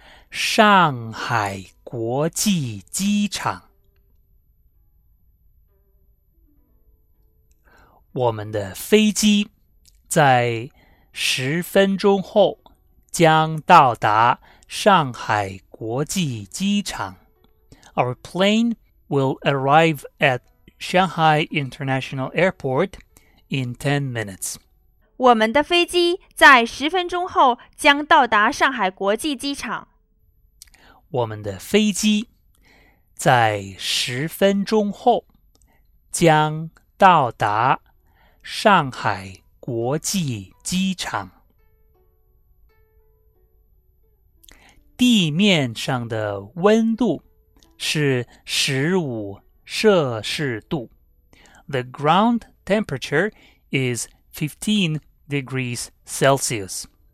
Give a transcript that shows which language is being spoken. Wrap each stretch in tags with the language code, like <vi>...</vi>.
<zh>上海国际机场我们的飞机在十分钟后将到达上海国际机场。</zh> <en>Our plane will arrive at Shanghai International Airport in 10 minutes.</en> <zh>我们的飞机在十分钟后将到达上海国际机场。我们的飞机在十分钟后将到达上海国际机场地面上的温度是15摄氏度</zh> <en>The ground temperature is 15 degrees Celsius</en>